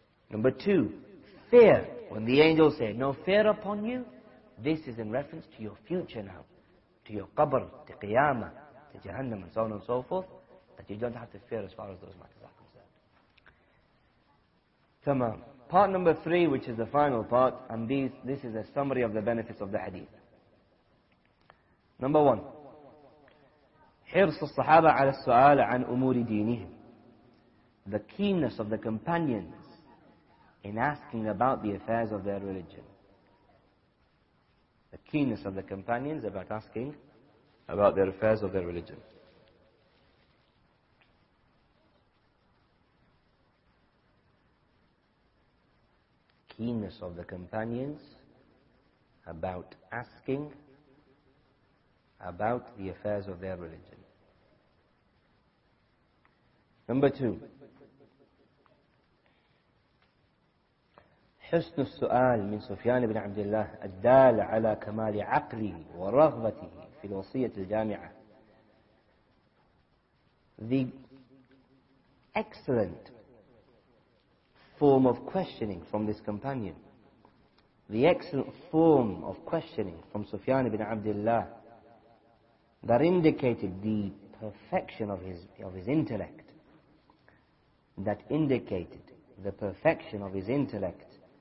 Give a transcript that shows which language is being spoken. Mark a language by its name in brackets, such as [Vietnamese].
[English] Number two, fear, when the angels say, no fear upon you, this is in reference to your future now, to your qabr, to qiyamah, to jahannam, and so on and so forth, that you don't have to fear as far as those matters are concerned. Tamam. Part number three, which is the final part, and this is a summary of the benefits of the hadith. Number one, [Arabic] حرص الصحابة على السؤال عن أمور دينهم. [English] The keenness of the companions in asking about the affairs of their religion. The keenness of the companions about asking about their affairs of their religion. Keenness of the companions about asking about the affairs of their religion. Number two. [Arabic] حسن السؤال من سفيان بن عبد الله الدال على كمال عقله ورغبته في الوصية الجامعة. [English] The excellent form of questioning from this companion, the excellent form of questioning from Sufyan ibn Abdullah, that indicated the perfection of his intellect, that indicated the perfection of his intellect